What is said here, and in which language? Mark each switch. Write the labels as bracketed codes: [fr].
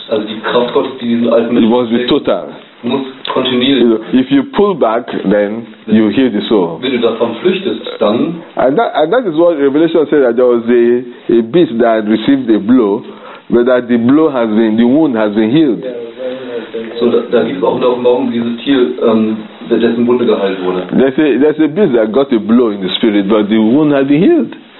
[en] It must be total. If you pull back, then you heal the soul. And that is what Revelation said, that there was a beast that received a blow, but that the blow has been, the wound has been healed. [de] So da gibt es auch in der Offenbarung dieses Tier, dessen Wunde geheilt wurde. [en] There's a beast that got a blow in the spirit, but the wound had been healed.